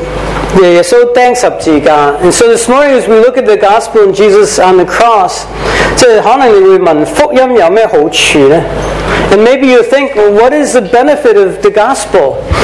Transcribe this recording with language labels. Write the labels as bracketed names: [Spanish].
[Chinese] 今天我们看福音耶稣钉十字架。 [English] And so this morning as we look at the gospel and Jesus on the cross, [Chinese] 可能你会问福音有什么好处呢？ [English] And maybe you think, well, what is the benefit of the gospel?